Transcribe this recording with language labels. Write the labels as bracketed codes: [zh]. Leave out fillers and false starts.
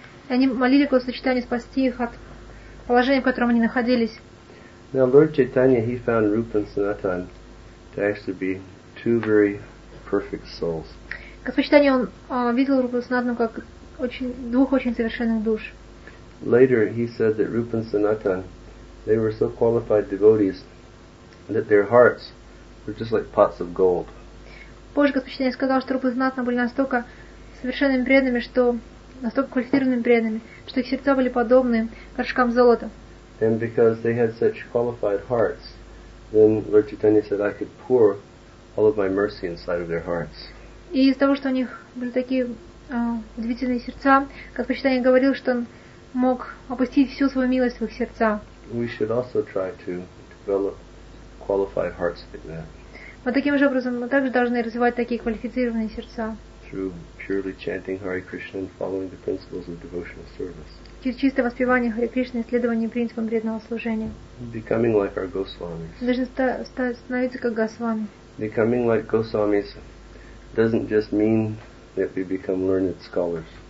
[ru] И они молили Господа Чайтанью спасти их от положения, в котором они находились. [en] Now Lord Chaitanya, he found Rupa and Sanatan to actually be two very perfect souls. [ru] Господь Чайтанья, он видел Рупу и Санатану как очень, двух очень совершенных душ. [en] Later he said that Rupa and Sanatan, they were so qualified devotees that their hearts were just like pots of gold. [ru] Позже Господь Чайтанья сказал, что Рупа и Санатана были настолько совершенными преданными, что настолько квалифицированными преданными, что их сердца были подобны горшкам золота. [en] And because they had such qualified hearts, then Lord Chaitanya said, I could pour all of my mercy inside of their hearts. [ru] И из-за того, что у них были такие удивительные сердца, Господь Чайтанья говорил, что он мог опустить всю свою милость в их сердца. [en] We should also try to develop qualified hearts like that. [ru] Мы таким же образом мы также должны развивать такие квалифицированные сердца. [en] Through purely chanting Hare Krishna and following the principles of devotional service. [ru] Через чистое воспевание Харе Кришны и следование принципам преданного служения. [en] Becoming like our Goswamis. [ru] Должны становиться как Госвами. [en] Becoming like Goswamis doesn't just mean that we become learned scholars.